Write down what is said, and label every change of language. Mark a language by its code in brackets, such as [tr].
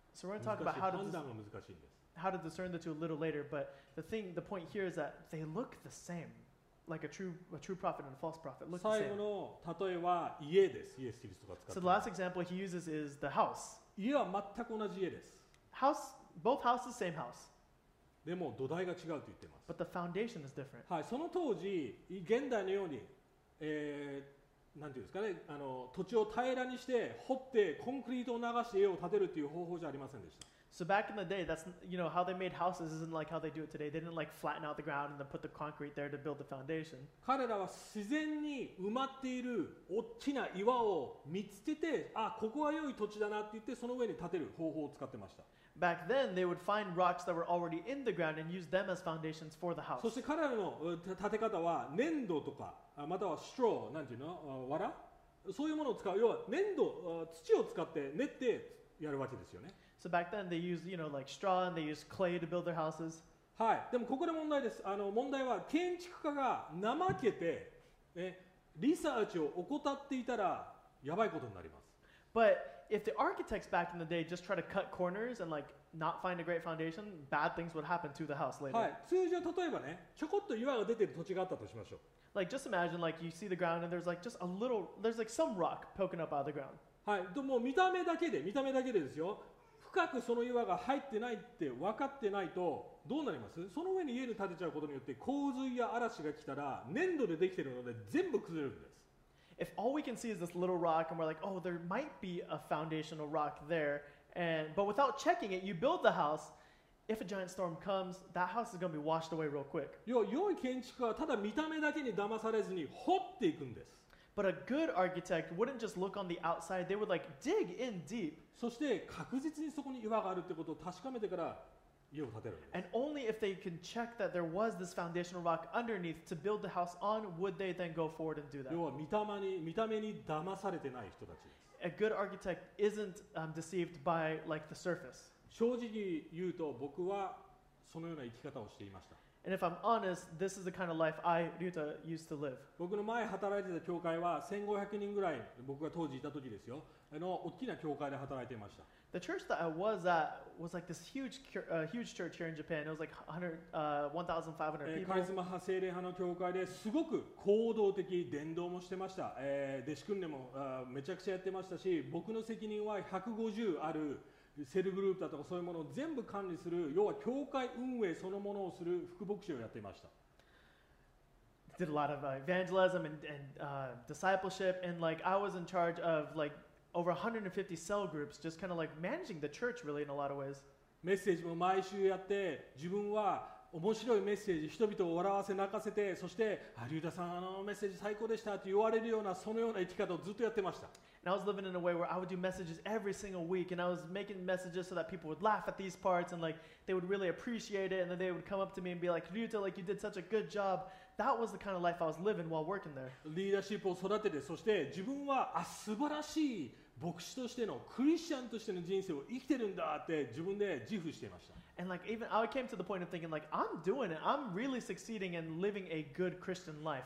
[en] So we're going to talk about how to, [ja] 判断が難しいんです。 [en] How to discern the two a little later, but the thing, the point here is that they look the same. Like a true prophet and a false prophet look the same. [ja] 最後の例えは家です。イエス・キリストが使っています。 [en] So the last example he uses is the house. [ja] 家は全く同じ家です。 [en] House, both houses, same house. [ja] でも土台が違うと言ってます。 [en] But the foundation is different. [ja] はい、その当時、現代のように、なんていうんですかね、土地を平らにして掘ってコンクリートを流して家を建てるという方法じゃありませんでした。 [en] So back in the day, that's, you know, how they made houses isn't like how they do it today. They didn't like flatten out the ground and then put the concrete there to build the foundation. [ja] 彼らは自然に埋まっている大きな岩を見つけて、あ、ここは良い土地だなって言ってその上に建てる方法を使ってました。 [en] Back then, they would find rocks that were already in the ground and use them as foundations for the house. [ja] そして彼らの建て方は粘土とか、またはストロー、なんていうの、藁、そういうものを使う。要は粘土、土を使って練ってやるわけですよね。 [en] So back then they used, you know, like straw and they used clay to build their houses. [ja] はい。でもここで問題です。問題は建築家が怠けて、ね、リサーチを怠っていたらやばいことになります。 [en] But if the architects back in the day just try to cut corners and like not find a great foundation, bad things would happen to the house later. [ja] はい。通常例えばね、ちょこっと岩が出てる土地があったとしましょう。 [en] Like just imagine like you see the ground and there's like just a little, there's like some rock poking up out of the ground. [ja] はい。でも見た目だけで、見た目だけでですよ。深くその岩が入ってないって分かってないとどうなります？その上に家に建てちゃうことによって洪水や嵐が来たら粘土でできているので全部崩れるんです。 [en] If all we can see is this little rock and we're like, oh, there might be a foundational rock there, and, but without checking it, you build the house, if a giant storm comes, that house is going to be washed away real quick. [ja] 良い建築家はただ見た目だけに騙されずに掘っていくんです。 [en] But a good architect wouldn't just look on the outside. They would like dig in deep. [ja] そして確実にそこに岩があるってことを確かめてから家を建てる。 [en] And only if they can check that there was this foundational rock underneath to build the house on, would they then go forward and do that? [ja] 要は見た目に騙されてない人たち。 [en] A good architect isn't deceived by like the surface. [ja] 正直言うと僕はそのような生き方をしていました。 [en] And if I'm honest, this is the kind of life I, Ryuta, used to live. [ja] 僕の前働いてた教会は1500人ぐらい、僕が当時いた時ですよ。大きな教会で働いていました。 [en] The church that I was at was like this huge church here in Japan. It was like 1,500 people. [ja] カリスマ派聖霊派の教会ですごく行動的、伝道もしてました。弟子訓練もめちゃくちゃやってましたし、僕の責任は150あるセルグループだとかそういうものを全部管理する、要は教会運営そのものをする副牧師をやっていました。 [en] Did a lot of evangelism and discipleship, and like I was in charge of like over 150 cell groups, just kind of like managing the church really in a lot of ways. [ja] メッセージも毎週やって、自分は面白いメッセージ、人々を笑わせ泣かせて、そして、龍太さん、メッセージ最高でしたと言われるような、そのような生き方をずっとやってました。 [en] And I was living in a way where I would do messages every single week, and I was making messages so that people would laugh at these parts, and like they would really appreciate it, and then they would come up to me and be like, Ryuta, like you did such a good job. That was the kind of life I was living while working there. [ja] リーダーシップを育てて、そして自分は素晴らしい牧師としてのクリスチャンとしての人生を生きてるんだって自分で自負していました。 [en] And like even I came to the point of thinking like I'm doing it. I'm really succeeding and living a good Christian life.